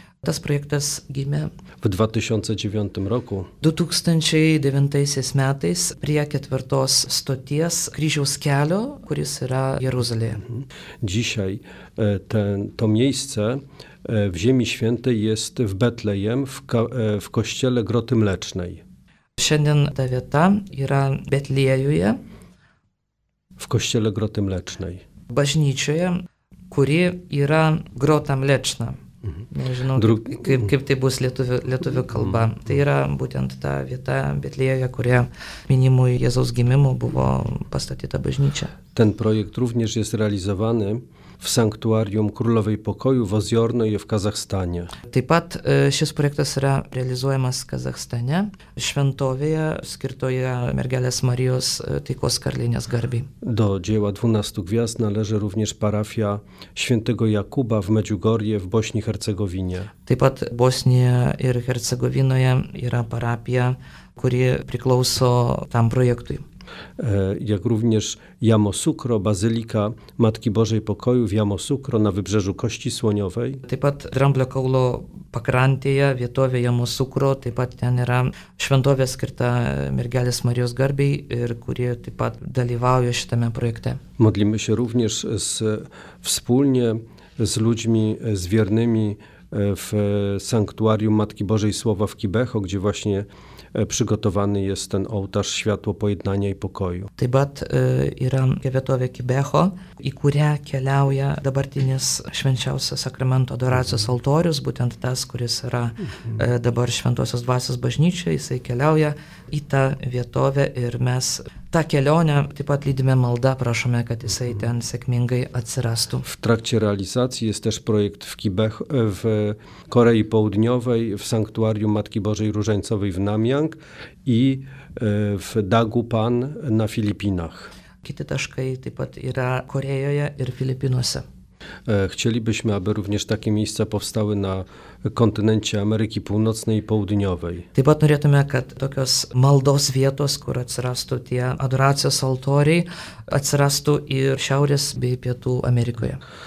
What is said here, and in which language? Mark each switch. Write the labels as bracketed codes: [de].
[lt] Tas projektas gimė [pl] w 2009 roku. [lt] 2009 metais prie ketvirtos stoties kryžiaus kelio, kuris yra Jeruzalėje. [pl] Dzisiaj to miejsce w Ziemi Świętej jest w Betlejem, w kościele Groty Mlecznej. [lt] Šiandien ta vieta yra Betliejuje. [pl] W kościele Groty Mlecznej. [lt] Bažnyčioje, kuri yra Grota Mleczna. Nežinau, kaip tai bus lietuvių kalba. Tai yra būtent ta vieta Betlėje, kurie minimui Jėzaus gimimu buvo pastatyta bažnyčia. [pl] Ten projekt również jest realizowany w Sanktuarium Królowej Pokoju w Oziornoje w Kazachstanie. [lt] Taip pat šis projektas yra realizuojamas Kazachstane, šventovėje skirtoje Mergelės Marijos taikos karalienės garbi. [pl] Do dzieła 12 gwiazd należy również parafia Świętego Jakuba w Medjugorje w Bośni Hercegowinie. [lt] Taip pat Bosnija ir Hercegovinoje yra parapija, kuri priklauso tam projektui. [pl] Jak również Yamoussoukro, Bazylika Matki Bożej Pokoju w Yamoussoukro na Wybrzeżu Kości Słoniowej. [lt] Taip pat Dramblio Kaulo pakrantėje, vietovė Yamoussoukro, taip pat ten yra šventovė skirta Mergelės Marijos garbei ir kurie taip pat dalyvauja šitame projekte. [pl] Modlimy się również wspólnie z ludźmi, z wiernymi w Sanktuarium Matki Bożej Słowa w Kibeho, gdzie właśnie przygotowany jest ten ołtarz światło pojednania i pokoju. [lt] Taip pat yra vietovė Kibeho, į kurią keliauja dabartinis švenčiausio sakramento adoracijos altorius, būtent tas, kuris yra dabar Šventosios Dvasios bažnyčia, jisai keliauja į tą vietovę ir mes tą kelionę taip pat lydime malda, prašome, kad jisai ten sėkmingai atsirastų. [pl] W trakcie realizacji jest też projekt w Kibeho, w Korei Południowej, w Sanktuarium Matki Bożej Różańcowej w Namie, i w Dagupan na Filipinach. [lt] Kiti taškai taip pat yra Korejoje ir Filipinuose. [pl] Chcielibyśmy, aby również takie miejsca powstały na kontynencie Ameryki Północnej i Południowej. [lt] Taip pat norėtume, kad tokios maldos vietos, kur atsirastų tie adoracijos altoriai, atsirastų ir Šiaurės bei Pietų Amerikoje.